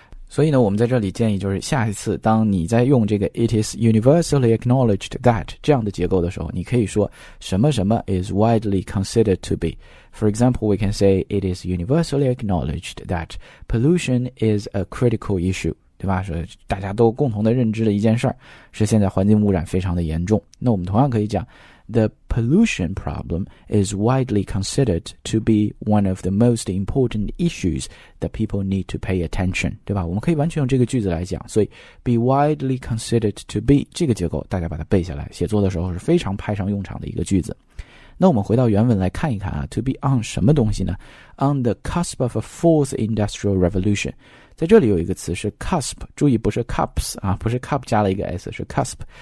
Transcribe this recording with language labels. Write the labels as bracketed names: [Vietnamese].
[Chinese] 所以呢，我们在这里建议就是下一次当你在用这个 [English] It is universally acknowledged that [Chinese] 这样的结构的时候，你可以说什么什么 [English] is widely considered to be. For example, we can say It is universally acknowledged that pollution is a critical issue. [Chinese] 对吧，说大家都共同的认知的一件事儿，是现在环境污染非常的严重。那我们同样可以讲 [English] The pollution problem is widely considered to be one of the most important issues that people need to pay attention. [Chinese] 对吧，我们可以完全用这个句子来讲。所以 [English] be widely considered to be [Chinese] 这个结构大家把它背下来，写作的时候是非常派上用场的一个句子。那我们回到原文来看一看啊， to be on 什么东西呢？ [English] On the cusp of a fourth industrial revolution。 [Chinese] 在这里有一个词是 cusp, 注意不是 cups, 啊，不是 cup 加了一个 s, 是 cusp。